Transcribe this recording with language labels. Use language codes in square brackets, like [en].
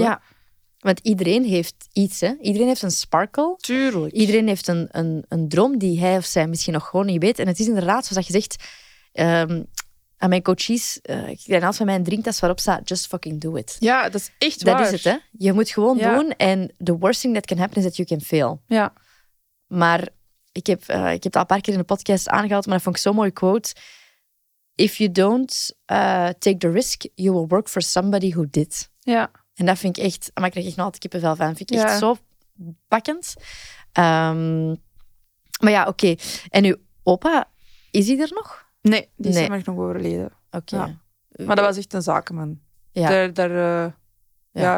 [nl] Ja. Want iedereen heeft iets, hè. Iedereen heeft een sparkle. Tuurlijk. Iedereen heeft een droom die hij of zij misschien nog gewoon niet weet. En het is inderdaad, zoals je zegt, aan mijn coachies, en als van mij een drinktas waarop staat, [en] just fucking do it. [nl] Ja, dat is echt waar. Dat is het, hè. Je moet gewoon doen. [en] En the worst thing that can happen is that you can fail. [nl] Ja. Maar... Ik heb het al een paar keer in de podcast aangehaald, maar dat vond ik zo'n mooie quote. [en] If you don't take the risk, you will work for somebody who did. [nl] Ja. En dat vind ik echt... Maar ik krijg echt nog altijd kippenvel van. Dat vind ik echt zo pakkend. Maar ja, oké. Okay. En uw opa, is hij er nog? Nee, die is nog overleden. Oké. Okay. Ja. Maar dat was echt een zakenman. Ja. Ja.